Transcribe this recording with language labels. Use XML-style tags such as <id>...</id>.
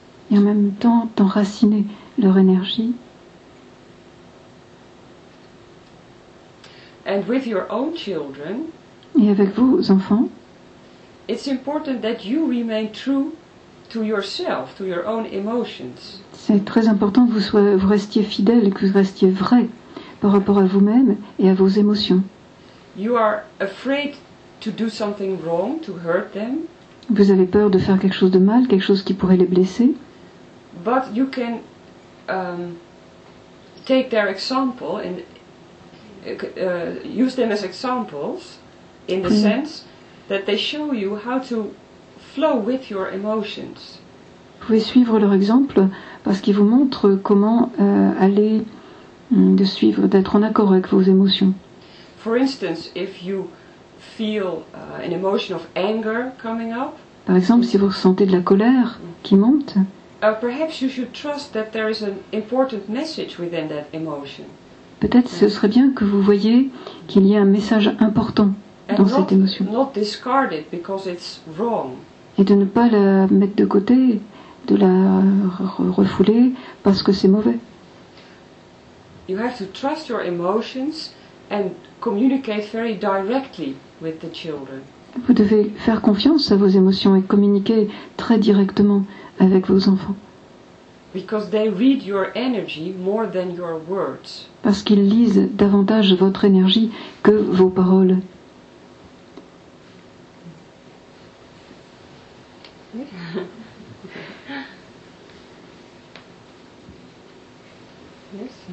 <fr>Et en même temps d'enraciner leur énergie.</fr> <en>And with your own children,</en> <fr>et avec vos enfants,</fr> <en>it's important that you remain true to yourself, to your own emotions.</en> <fr>C'est très important que vous restiez fidèle, que vous restiez vrai par rapport à vous-même et à vos émotions.</fr> <en>You are afraid to do something wrong, to hurt them.</en> <fr>Vous avez peur de faire quelque chose de mal, quelque chose qui pourrait les blesser.</fr> <en>But you can take their example and use them as examples in the sense that they show you how to flow with your emotions.</en> <fr>Vous pouvez suivre leur exemple parce qu'ils vous montrent comment aller de suivre, d'être en accord avec vos émotions.</fr> <en>For instance, if you feel an emotion of anger coming up.</en> <fr>Par exemple, si vous ressentez de la colère qui monte.</fr> <en>Perhaps you should trust that there is an important message within that emotion.</en> <fr>Peut-être ce serait bien que vous voyez qu'il y a un message important dans</fr> <en>and</en> <fr>cette émotion.</fr> <en>Not discard it because it's wrong.</en> <fr>Et de ne pas la mettre de côté, de la refouler parce que c'est mauvais.</fr> <en>You have to trust your emotions and communicate very directly with the children.</en> <fr>Vous devez faire confiance à vos émotions et communiquer très directement avec vos enfants.</fr> <en>Because they read your energy more than your words.</en> <fr>Parce qu'ils lisent davantage votre énergie que vos paroles.</fr> <en>Yes.</en>